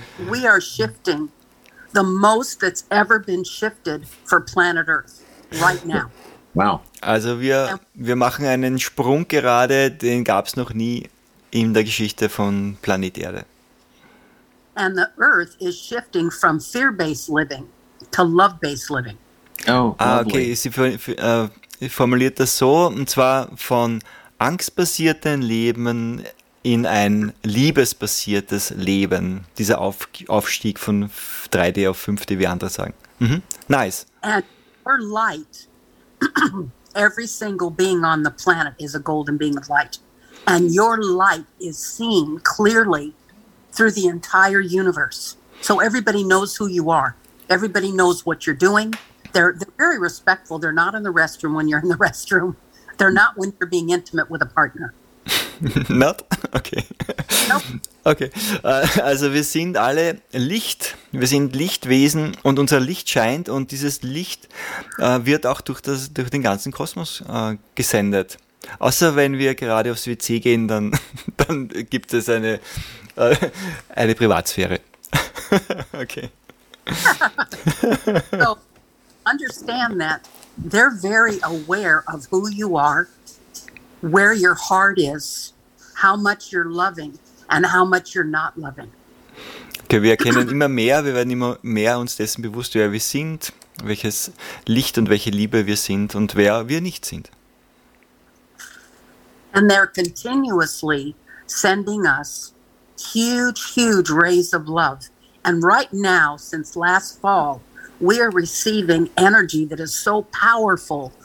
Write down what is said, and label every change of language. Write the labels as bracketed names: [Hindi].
[English] We are shifting the most that's ever been shifted for planet Earth right now. Wow. [German] Also wir machen einen Sprung gerade, den gab es noch nie in der Geschichte von Planet Erde. [English] And the Earth is shifting from fear-based living to love-based living. Oh, lovely. [German] Okay, sie formuliert das so, und zwar von angstbasierten Leben in ein liebesbasiertes Leben. Dieser Aufstieg von 3D auf 5D, wie andere sagen. [English] Mhm. Nice. And your light, every single being on the planet is a golden being of light. And your light is seen clearly through the entire universe. So everybody knows who you are. Everybody knows what you're doing. They're very respectful. They're not in the restroom when you're in the restroom. They're not when you're being intimate with a partner. Not? Okay. Nope. [German] Okay. Also wir sind alle Licht. Wir sind Lichtwesen und unser Licht scheint und dieses Licht wird auch durch den ganzen Kosmos gesendet. Außer wenn wir gerade aufs WC gehen, dann gibt es eine Privatsphäre. Okay. [English] So, understand that they're very aware of who you are, where your heart is, how much you're loving and how much you're not loving. [German] Okay, wir erkennen immer mehr, wir werden immer mehr uns dessen bewusst, wer wir sind, welches Licht und welche Liebe wir sind und wer wir nicht sind. [English] And they're continuously sending us huge, huge rays of love. And right now, since last fall, we are receiving energy that is so powerful.